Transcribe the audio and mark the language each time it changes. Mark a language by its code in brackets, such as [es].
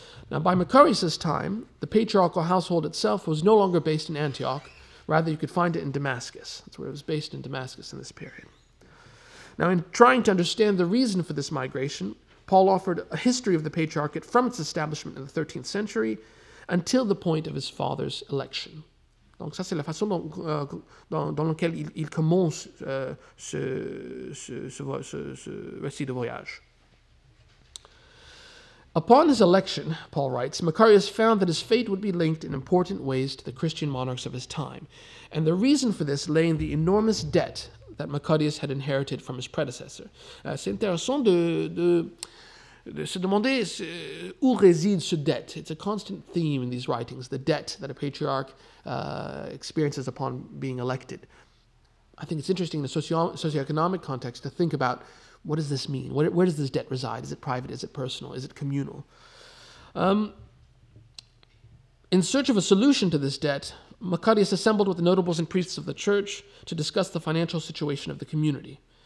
[en] Now, by Macarius's time, the patriarchal household itself was no longer based in Antioch. Rather, you could find it in Damascus. That's where it was based, in Damascus in this period. Now, in trying to understand the reason for this migration, Paul offered a history of the Patriarchate from its establishment in the 13th century until the point of his father's election. [fr] Donc ça, c'est la façon dans laquelle il commence ce récit de voyage. [en] Upon his election, Paul writes, Macarius found that his fate would be linked in important ways to the Christian monarchs of his time, and the reason for this lay in the enormous debt that Macarius had inherited from his predecessor. [fr] C'est intéressant de se demander où réside ce dette. [en] It's a constant theme in these writings, the debt that a patriarch experiences upon being elected. I think it's interesting in a socioeconomic context to think about what does this mean? Where does this debt reside? Is it private? Is it personal? Is it communal? In search of a solution to this debt, Macarius assembled with the notables and priests of the church to discuss the financial situation of the community.